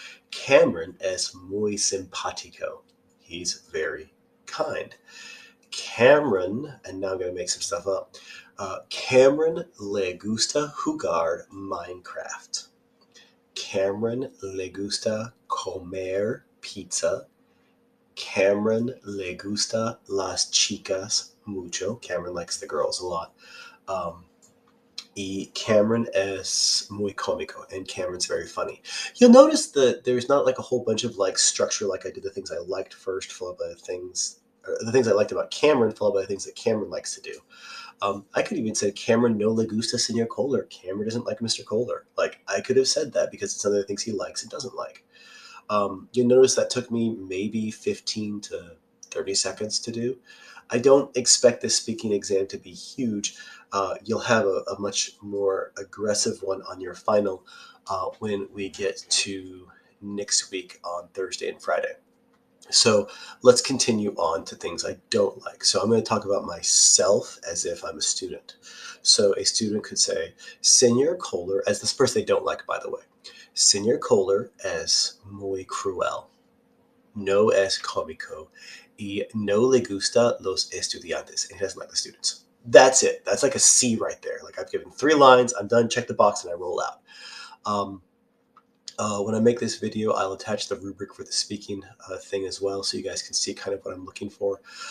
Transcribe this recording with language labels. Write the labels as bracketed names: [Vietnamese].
[Spanish] Cameron es muy simpático. [English] He's very kind. Cameron, and now I'm going to make some stuff up. [Spanish] Cameron le gusta jugar Minecraft. Cameron le gusta comer pizza. Cameron le gusta las chicas mucho. [English] Cameron likes the girls a lot. [Spanish] Y Cameron es muy cómico, [English] and Cameron's very funny. You'll notice that there's not like a whole bunch of like structure, like I did the things I liked first, followed by the things I liked about Cameron, followed by the things that Cameron likes to do. I could even say Cameron [Spanish] no le gusta [English] Senor Kohler. Cameron doesn't like Mr. Kohler. Like I could have said that because it's some of the things he likes and doesn't like. You'll notice that took me maybe 15 to 30 seconds to do. I don't expect this speaking exam to be huge. You'll have a much more aggressive one on your final when we get to next week on Thursday and Friday. So let's continue on to things I don't like. So I'm going to talk about myself as if I'm a student. So a student could say, Senor Kohler, as this person they don't like, by the way, Senor Kohler [Spanish] es muy cruel. No es cómico. Y no le gusta los estudiantes. [English] And he doesn't like the students. That's it. That's like a C right there. Like I've given three lines, I'm done, check the box, and I roll out. When I make this video, I'll attach the rubric for the speaking thing as well, so you guys can see kind of what I'm looking for.